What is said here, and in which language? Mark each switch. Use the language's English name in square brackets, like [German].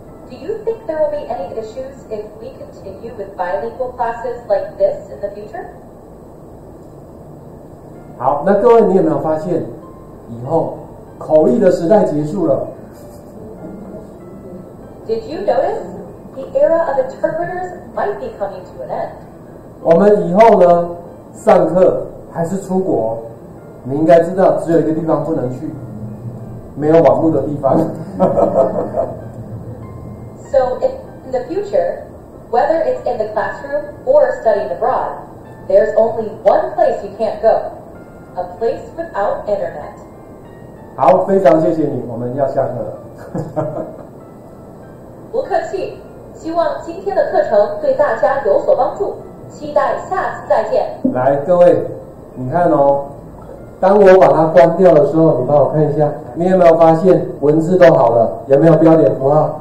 [English] Do you think there will be any issues if we continue with bilingual classes like this in the future? [Chinese] 好，那各位，你有没有发现以后？口译的时代结束了。 [English] Did you notice the era of interpreters might be coming to an end? [Chinese] 我们以后呢，上课还是出国？你应该知道，只有一个地方不能去，没有网络的地方。 [English] So in the future, whether it's in the classroom or studying abroad, there's only one place you can't go: a place without internet. [Chinese] 好，非常谢谢你，我们要下课了。不客气，希望今天的课程对大家有所帮助，期待下次再见。来，各位，你看哦，当我把它关掉的时候，你帮我看一下，你有没有发现文字都好了，有没有标点符号？